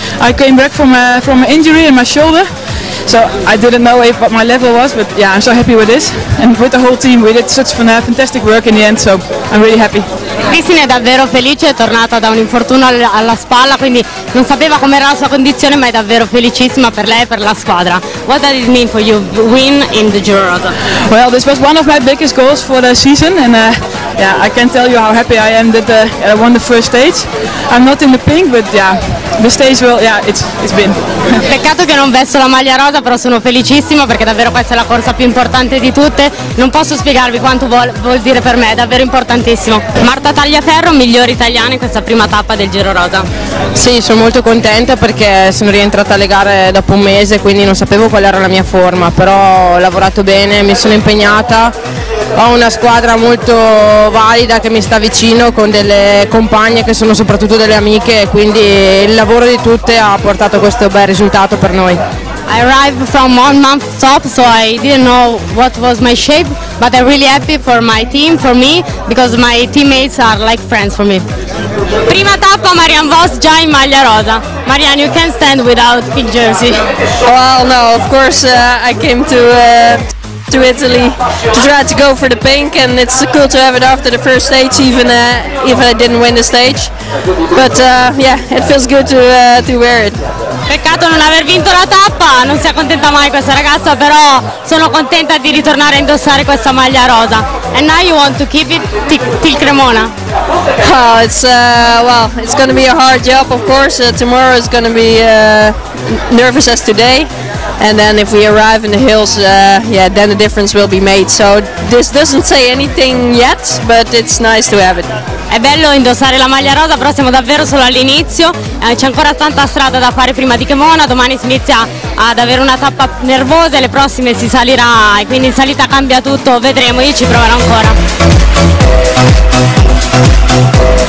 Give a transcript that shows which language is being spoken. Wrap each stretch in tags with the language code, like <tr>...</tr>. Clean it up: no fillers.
<en>I came back from an injury in my shoulder, so I didn't know what my level was, but yeah, I'm so happy with this. And with the whole team, we did such fantastic work in the end, so I'm really happy.</en> <it>Kirsten è davvero felice, è tornata da un infortunio alla spalla, quindi non sapeva com'era la sua condizione, ma è davvero felicissima per lei e per la squadra.</it> <en>What does it mean for you, win in the Giro Rosa? Well, this was one of my biggest goals for the season, and yeah, I can't tell you how happy I am that I won the first stage. I'm not in the pink, but yeah, the stage will, yeah, it's been.</en> <it>Peccato che non vesto la maglia rosa, però sono felicissima perché davvero questa è la corsa più importante di tutte. Non posso spiegarvi quanto vuol dire per me, è davvero importantissimo. Marta Tagliaferro, migliore italiana in questa prima tappa del Giro Rosa. Sì, sono molto contenta perché sono rientrata alle gare dopo un mese, quindi non sapevo qual era la mia forma, però ho lavorato bene, mi sono impegnata. Ho una squadra molto valida che mi sta vicino con delle compagne che sono soprattutto delle amiche, quindi il lavoro di tutte ha portato questo bel risultato per noi.</it> <en>I arrived from 1 month top, so I didn't know what was my shape, but I'm really happy for my team, for me, because my teammates are like friends for me.</en> <it>Prima tappa Marianne Vos già in maglia rosa.</it> <en>Marianne, you can't stand without pink jersey. Well, no, of course I came to Italy to try to go for the pink, and it's cool to have it after the first stage, even if I didn't win the stage, but yeah, it feels good to wear it.</en> <it>Peccato non aver vinto la tappa, non si accontenta mai questa ragazza, però sono contenta di ritornare a indossare questa maglia rosa.</it> <en>And now you want to keep it till Cremona? Oh, it's gonna be a hard job, of course. Tomorrow is gonna be nervous as today. And then if we arrive in the hills, yeah, then the difference will be made. So this doesn't say anything yet, but it's nice to have it.</en> <it>È bello indossare la maglia rosa, però siamo davvero solo all'inizio, c'è ancora tanta strada da fare prima di Cremona, domani si inizia ad avere una tappa nervosa e le prossime si salirà, e quindi in salita cambia tutto, vedremo, io ci proverò ancora.</it>